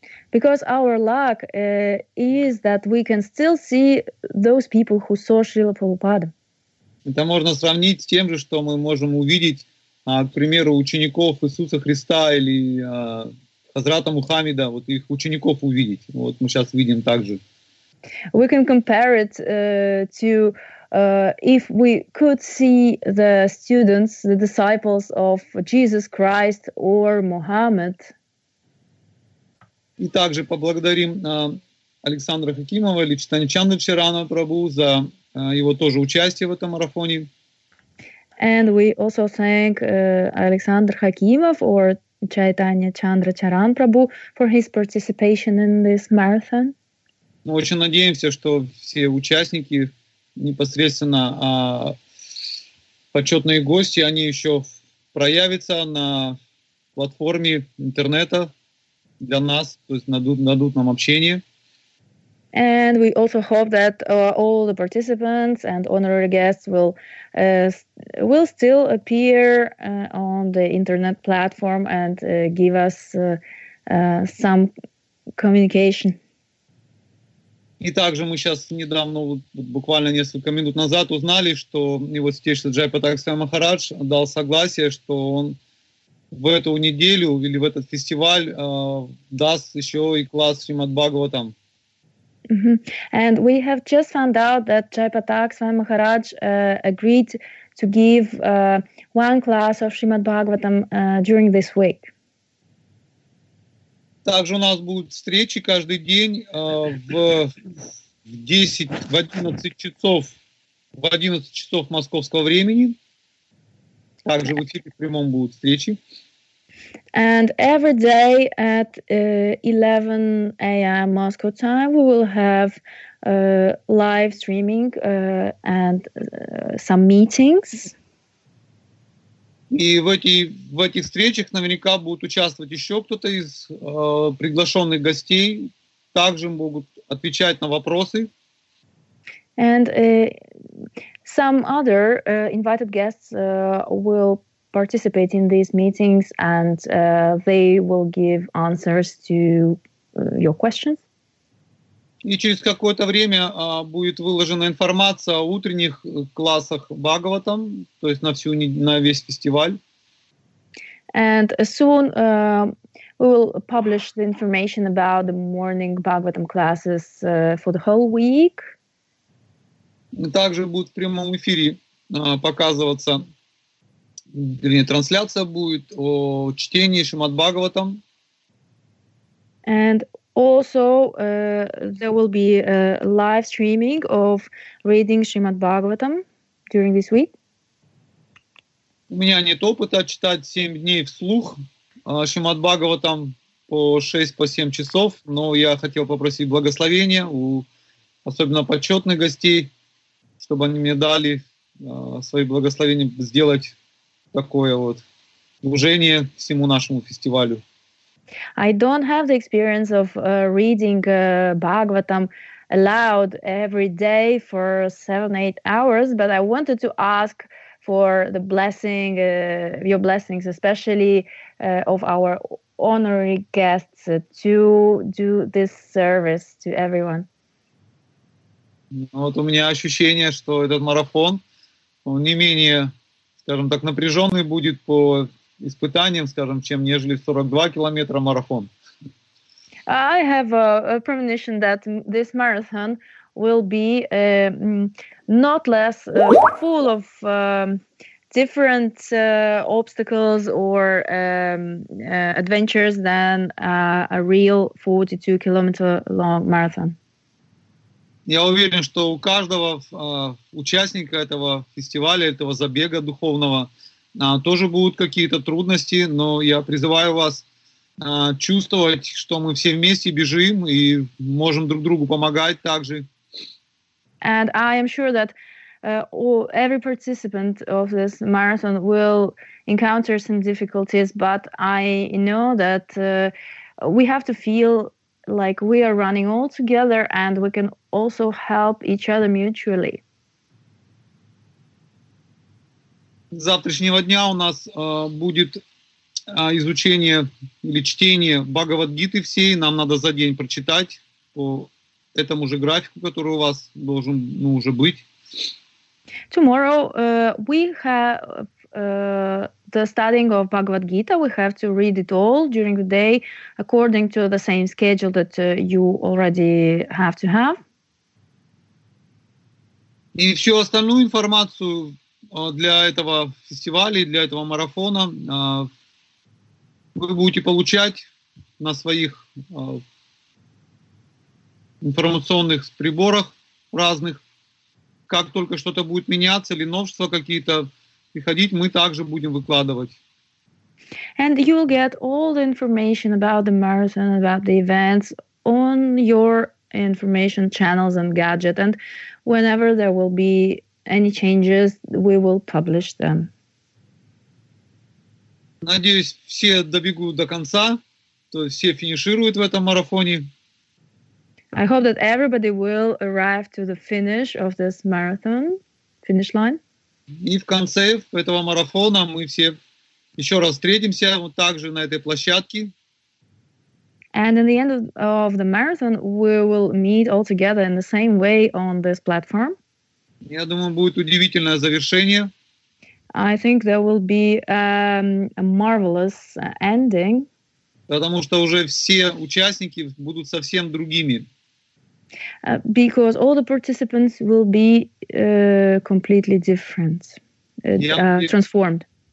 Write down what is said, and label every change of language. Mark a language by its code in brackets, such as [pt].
[en] Because our luck is that we can still see those people who saw Шрилу Прабхупаду. [ru] Это можно сравнить с тем же, что мы можем увидеть, к примеру, учеников Иисуса Христа или Хазрата Мухаммеда, вот их учеников увидеть. Вот мы сейчас видим также. [en] We can compare it to if we could see the students, the disciples of Jesus Christ or Muhammad. [ru] И также поблагодарим Александра Хакимова или Чайтанья Чандрачарану Прабху за его тоже участие в этом марафоне. [en] And we also thank Alexander Hakimov or Chaitanya Chandracharan Prabhu for his participation in this marathon. [ru] Мы очень надеемся, что все участники, непосредственно почетные гости, они еще проявятся на платформе интернета для нас, то есть дадут нам общение. [en] And we also hope that all the participants and honorary guests will still appear on the internet platform and give us some communication. [ru] И также мы сейчас недавно, буквально несколько минут назад, узнали, что его святейшество Джайпатаксвами Махарадж дал согласие, что он в эту неделю или в этот фестиваль даст еще и класс Шримад Бхагаватам. [en] And we have just found out that Jaipatak Swami Maharaj agreed to give one class of Shrimad Bhagavatam during this week. [ru] Также у нас будут встречи каждый день в 10, в 11 часов, в 11 часов московского времени. Также в эфире прямом будут встречи. [en] And every day at 11 a.m. Moscow time, we will have live streaming and some meetings. [ru] И в этих встречах наверняка будут участвовать еще кто-то из приглашенных гостей. Также могут отвечать на вопросы. [en] And some other invited guests will participate in these meetings and they will give answers to your questions. [ru] И через какое-то время будет выложена информация о утренних классах Бхагаватам, то есть на всю на весь фестиваль. [en] And soon we will publish the information about the morning Bhagavatam classes for the whole week. [ru] Также будет в прямом эфире показываться, вернее, трансляция будет о чтении Шримад Бхагаватам. [en] And also there will be a live streaming of reading Shrimad Bhagavatam during this week. [ru] У меня нет опыта читать 7 дней вслух Шримад Бхагаватам по 6-7 часов, но я хотел попросить благословения у особенно почетных гостей, чтобы они мне дали свои благословения сделать такое вот служение всему нашему фестивалю. [en] I don't have the experience of reading Bhagavatam aloud every day for 7-8 hours, but I wanted to ask for the blessing, your blessings, especially of our honorary guests to do this service to everyone. [ru] Вот у меня ощущение, что этот марафон, он не менее, скажем так, напряженный будет по испытаниям, скажем, чем нежели 42 километра марафон. [en] I have a premonition that this marathon will be not less full of different obstacles or adventures than a real 42-kilometer long marathon. [ru] Я уверен, что у каждого участника этого фестиваля, этого забега духовного, тоже будут какие-то трудности, но я призываю вас чувствовать, что мы все вместе бежим и можем друг другу помогать также. [en] And I am sure that every participant of this marathon will encounter some difficulties, but I know that we have to feel like we are running all together and we can also help each other mutually. [ru] С завтрашнего дня у нас будет изучение или чтение Бхагавад-гиты всей. Нам надо за день прочитать по этому же графику, который у вас должен уже быть. [en] Tomorrow we have the studying of Bhagavad-gita. We have to read it all during the day according to the same schedule that you already have to have. [ru] И всю остальную информацию для этого фестиваля, для этого марафона вы будете получать на своих информационных приборах разных. Как только что-то будет меняться или новшества какие-то приходить, мы также будем выкладывать. [en] And you will get all the information about the marathon, about the events on your information channels and gadget. And whenever there will be any changes, we will publish them. [ru] Надеюсь, все добегут до конца, то есть все финишируют в этом марафоне. [en] I hope that everybody will arrive to the finish of this marathon, finish line. [ru] И в конце этого марафона мы все еще раз встретимся вот так же на этой площадке. [en] And in the end of the marathon, we will meet all together in the same way on this platform. [ru] Я думаю, будет удивительное завершение. [en] I think there will be a marvelous ending. [ru] Потому что уже все участники будут совсем другими. [en] Because all the participants will be completely different, transformed.